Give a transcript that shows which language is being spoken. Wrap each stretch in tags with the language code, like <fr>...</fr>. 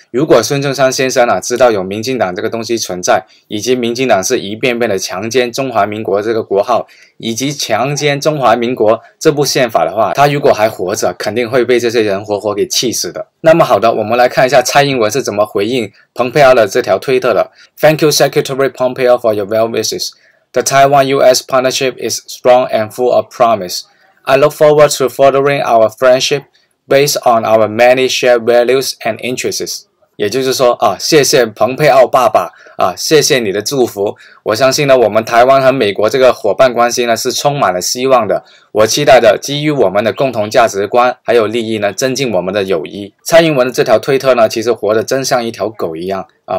<zh>如果孙中山先生呢，知道有民进党这个东西存在，以及民进党是一遍遍的强奸中华民国这个国号，以及强奸中华民国这部宪法的话，他如果还活着，肯定会被这些人活活给气死的。那么好的，我们来看一下蔡英文是怎么回应蓬佩奥的这条推特的。</zh> <en>Thank you, Secretary Pompeo, for your well wishes. The Taiwan-US partnership is strong and full of promise. I look forward to furthering our friendship based on our many shared values and interests.</en> <zh>也就是说啊，谢谢蓬佩奥爸爸啊，谢谢你的祝福。我相信呢，我们台湾和美国这个伙伴关系呢是充满了希望的。我期待着基于我们的共同价值观还有利益呢，增进我们的友谊。蔡英文的这条推特呢，其实活得真像一条狗一样啊。</zh>